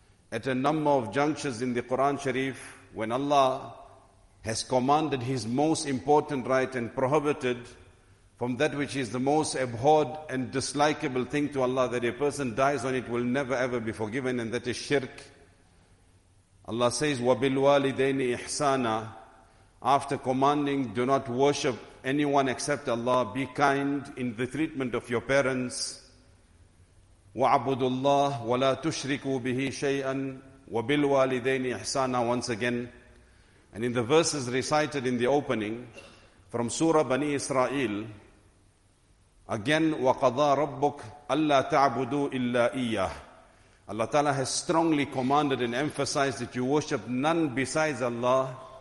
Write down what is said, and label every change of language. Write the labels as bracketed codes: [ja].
[en] At a number of junctures in the Quran Sharif, when Allah has commanded His most important right and prohibited from that which is the most abhorred and dislikable thing to Allah, that a person dies on it, will never ever be forgiven, and that is shirk. Allah says, [ar] وَبِالْوَالِدَيْنِ إِحْسَانًا, [en] after commanding, do not worship anyone except Allah, be kind in the treatment of your parents. [ar] وَعَبُدُ اللَّهِ وَلَا تُشْرِكُوا بِهِ شَيْئًا وَبِالْوَالِدَيْنِ إِحْسَانًا, [en] once again. And in the verses recited in the opening, from Surah Bani Israel, again, [ar] وَقَضَى رَبُّكَ أَلَّا تَعْبُدُوا إِلَّا إِيَّهِ, [en] Allah Ta'ala has strongly commanded and emphasized that you worship none besides Allah.